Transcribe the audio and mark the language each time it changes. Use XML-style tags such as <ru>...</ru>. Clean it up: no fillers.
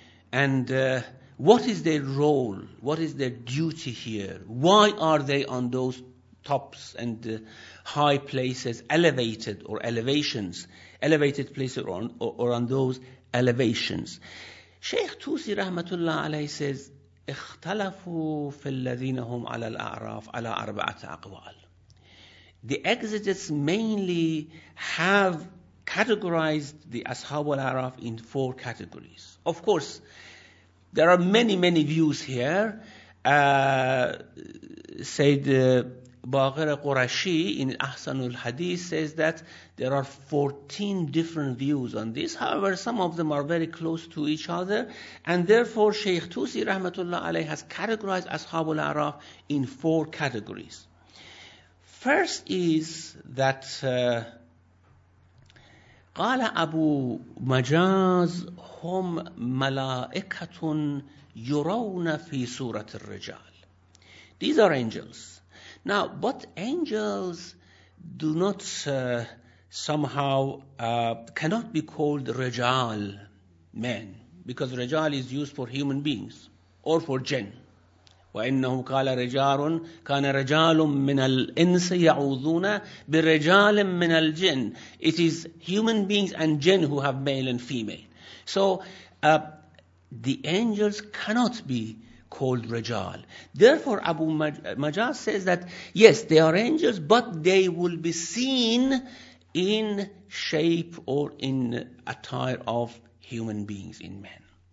<en>And what is their role? What is their duty here? Why are they on those tops and high places, elevated places or on those elevations? Sheikh Tusi rahmatullah alayhi says,</en> <ar>اختلفوا في الذين هم على الأعراف على أربعة أقوال.</ar> <en>The exegetes mainly have categorized the Ashab al-A'raf in four categories. Of course, there are many, many views here. Sayyid Baqir Qurashi in Ahsan al-Hadith says that there are 14 different views on this. However, some of them are very close to each other. And therefore, Shaykh Tusi rahmatullah alayhi has categorized Ashab al-A'raf in four categories. First is that</en> <ar>قال أبو مجاز هم ملائكة يرون في سورة الرجال.</ar> <en>These are angels. Now, but angels do not cannot be called رجال men, because رجال is used for human beings or for jinn.</en> <ar>وإنه قال رجال كان رجال من الإنس يعوذون برجال من الجن.</ar> <en>It is human beings and jinn who have male and female. So the angels cannot be called رجال. Therefore Abu Majah says that yes, they are angels, but they will be seen in shape or in attire of human beings, in men.</en>